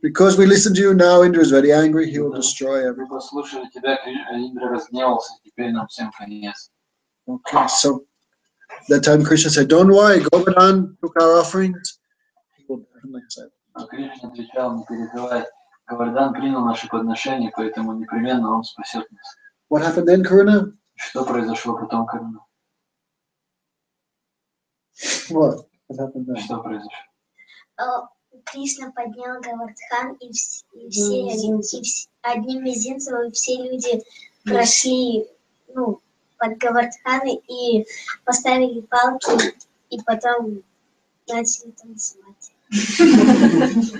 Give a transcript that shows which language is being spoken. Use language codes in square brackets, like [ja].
[en] because we listen to you now, Indra is very angry, he will destroy everyone. [ru] Послушали тебя, Индра разгневался, теперь нам всем конец. [en] Okay, so that time Krishna said, don't worry, Goverdan took our offerings, he will definitely accept. [ru] Кришна отвечал, не переживай. Говардан принял наше подношение, поэтому непременно он спасет нас. [en] What happened then, Karuna? [ru] Что произошло потом, Karuna? [en] What happened then? [ru] Что произошло? Кришна поднял Говардхан, и все люди прошли под Говардханы и поставили палки, и потом начали танцевать.